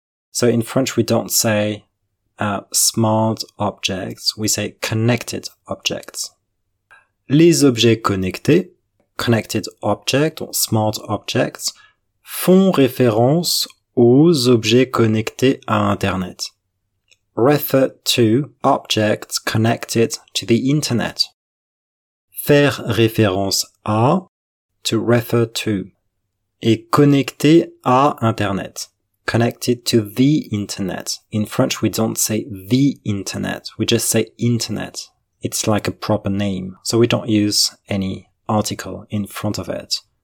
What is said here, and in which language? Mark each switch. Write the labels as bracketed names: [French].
[English] So in French, we don't say smart objects, we say connected objects. [French] Les objets connectés, [English] connected objects or smart objects, [French] font référence aux objets connectés à Internet. [English] Refer to objects connected to the Internet. [French] Faire référence à, [English] to refer to, [French] et connecté à Internet. [English] Connected to the Internet. In French, we don't say the Internet, we just say Internet. It's like a proper name, so we don't use any article in front of it.